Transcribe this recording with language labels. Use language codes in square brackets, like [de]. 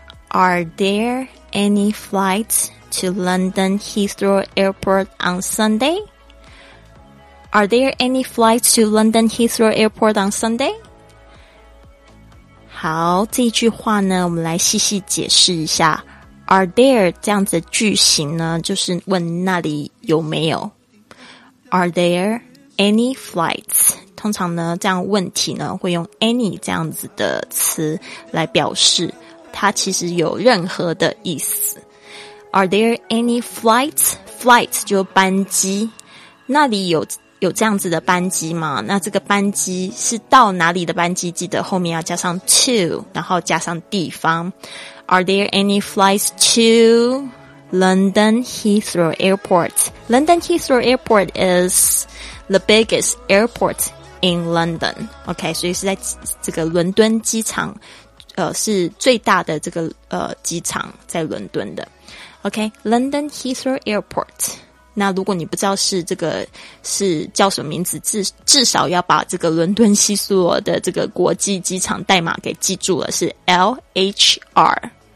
[en] Are there any flights to London Heathrow Airport on Sunday? Are there any flights to London Heathrow Airport on Sunday? [zh] 好，这句话呢，我们来细细解释一下。 Are there 这样子的句型呢，就是问那里有没有。 [en] Are there any flights? [zh] 通常呢，这样问题呢，会用 any 这样子的词来表示。它其实有任何的意思。 [en] Are there any flights? [zh] Flights 就班机。那里有这样子的班机吗？那这个班机是到哪里的班机？记得后面要加上 to， 然后加上地方。 [en] Are there any flights to London Heathrow Airport? London Heathrow Airport is the biggest airport in London. [zh] OK， 所以是在这个伦敦机场。是最大的这个机场在伦敦的。 [en] OK, London Heathrow Airport。 [zh] 那如果你不知道是这个是叫什么名字，至少要把这个伦敦希斯罗的这个国际机场代码给记住了，是 LHR。